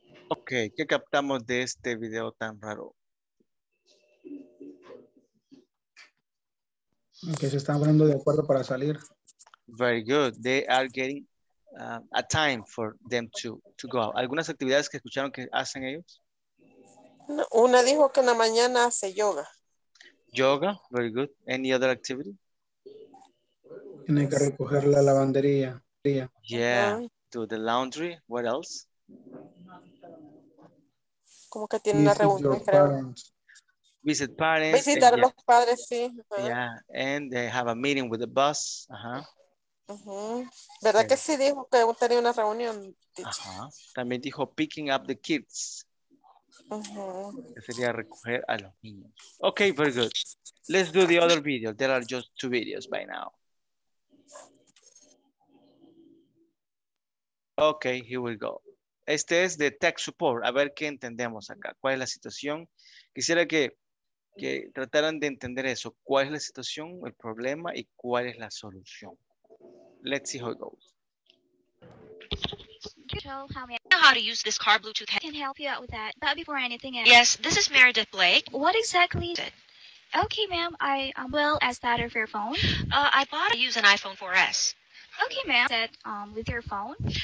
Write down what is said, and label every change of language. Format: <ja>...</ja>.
<es>Ok, ¿qué captamos de este video tan raro? Que se están poniendo de acuerdo para salir.</es> <en>Very good. They are getting a time for them to go out.</en> <es>¿Algunas actividades que escucharon que hacen ellos? Una dijo que en la mañana hace yoga.</es> <en>Yoga, very good. Any other activity?</en> <es>Tiene que recoger la lavandería.</es> <en>Yeah, do the laundry. What else?</en> <es>Como que tiene una reunión, creo.</es> <en>visit parents.</en> <es>Visitar los padres, sí.</es> <en>Yeah, and they have a meeting with the boss.</en> <es>¿Verdad que sí dijo que tenía una reunión? También dijo</es> <en>picking up the kids.</en> <es>Sería recoger a los niños. Okay, very good.</es> <en>Let's do the other video. There are just two videos by now. Okay, here we go.</en> <es>Este es de tech support. A ver qué entendemos acá. ¿Cuál es la situación? Quisiera que trataran de entender eso. ¿Cuál es la situación, el problema y cuál es la solución?</es> <en>Let's see how it goes. How to use this car Bluetooth head. I can help you out with that. But before anything else. Yes, this is Meredith Blake. What exactly is it? Okay, ma'am. Well, is that her fair phone? I bought it. I use an iPhone 4S. Okay, ma'am. That with your phone?</en>